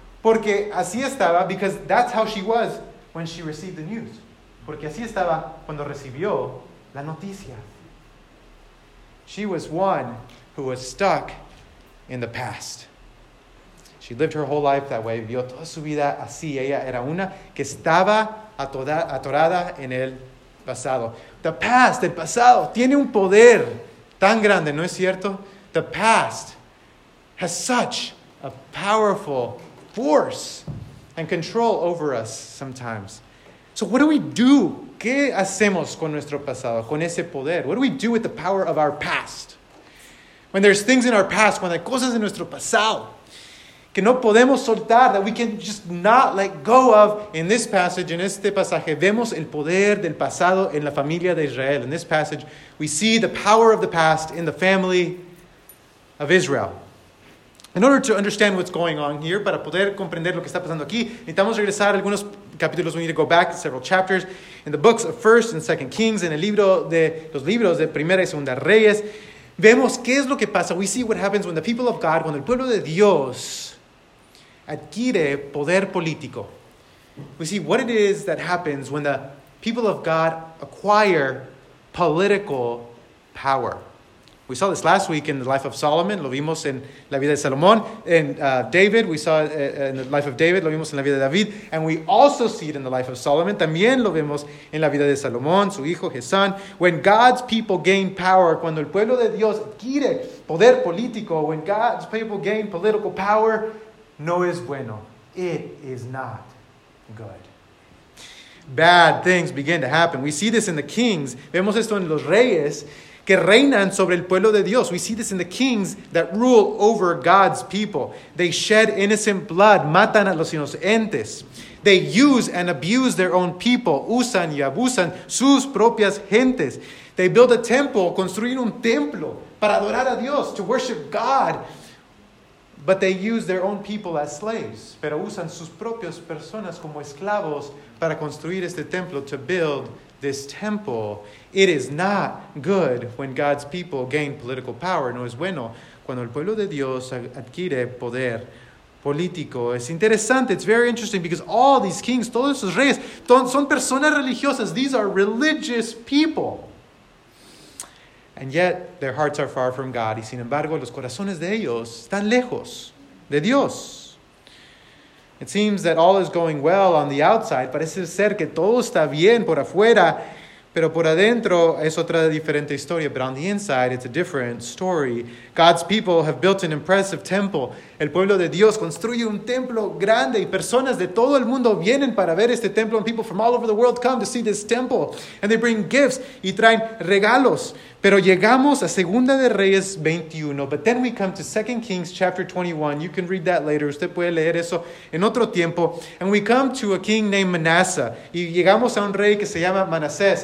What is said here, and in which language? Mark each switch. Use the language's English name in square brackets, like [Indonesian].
[Spanish] Porque así estaba, [English] because that's how she was when she received the news. [Spanish] Porque así estaba cuando recibió la noticia. [English] She was one who was stuck in the past. She lived her whole life that way. [Spanish] Vivió toda su vida así. Ella era una que estaba atorada en el pasado. [English] The past, [Spanish] el pasado, tiene un poder tan grande, ¿no es cierto? The past [English] has such a powerful force and control over us sometimes. So what do we do? [Spanish] ¿Qué hacemos con nuestro pasado, con ese poder? [English] What do we do with the power of our past? When there's things in our past, when [Spanish] hay cosas en nuestro pasado que no podemos soltar, [English] that we can just not let go of. In this passage, in [Spanish] este pasaje, vemos el poder del pasado en la familia de Israel. [English] In this passage, we see the power of the past in the family of Israel. In order to understand what's going on here, [Spanish] para poder comprender lo que está pasando aquí, necesitamos regresar algunos capítulos. [English] We need to go back several chapters in the books of 1 and 2 Kings, [Spanish] en el libro de los libros de Primera y Segunda Reyes. Vemos qué es lo que pasa. [English] We see what happens when the people of God, [Spanish] cuando el pueblo de Dios adquiere poder político. [English] We see what it is that happens when the people of God acquire political power. We saw this last week in the life of Solomon. [Spanish] Lo vimos en la vida de Salomón. [English] And David, we saw in the life of David. [Spanish] Lo vimos en la vida de David. [English] And we also see it in the life of Solomon. [Spanish] También lo vemos en la vida de Salomón, su hijo, [English] his son. When God's people gain power, [Spanish] cuando el pueblo de Dios adquiere poder político, [English] when God's people gain political power, [Spanish] no es bueno. [English] It is not good. Bad things begin to happen. We see this in the kings. [Spanish] Vemos esto en los reyes que reinan sobre el pueblo de Dios. [English] We see this in the kings that rule over God's people. They shed innocent blood, [Spanish] matan a los inocentes. [English] They use and abuse their own people, [Spanish] usan y abusan sus propias gentes. [English] They build a temple, [Spanish] construyen un templo para adorar a Dios, [English] to worship God. But they use their own people as slaves, [Spanish] pero usan sus propias personas como esclavos para construir este templo, [English] to build this temple. It is not good when God's people gain political power. [Spanish] No es bueno cuando el pueblo de Dios adquiere poder político. Es interesante. [English] It's very interesting because all these kings, [Spanish] todos esos reyes, son personas religiosas. [English] These are religious people. And yet, their hearts are far from God. [Spanish] Y sin embargo, los corazones de ellos están lejos de Dios. [English] It seems that all is going well on the outside. [Spanish] Parece ser que todo está bien por afuera, pero por adentro es otra diferente historia. [English] But on the inside, it's a different story. God's people have built an impressive temple. [Spanish] El pueblo de Dios construye un templo grande y personas de todo el mundo vienen para ver este templo. [English] And people from all over the world come to see this temple. And they bring gifts [Spanish] y traen regalos. Pero llegamos a Segunda de Reyes 21. [English] But then we come to 2 Kings chapter 21. You can read that later. [Spanish] Usted puede leer eso en otro tiempo. [English] And we come to a king named Manasseh. [Spanish] Y llegamos a un rey que se llama Manasseh.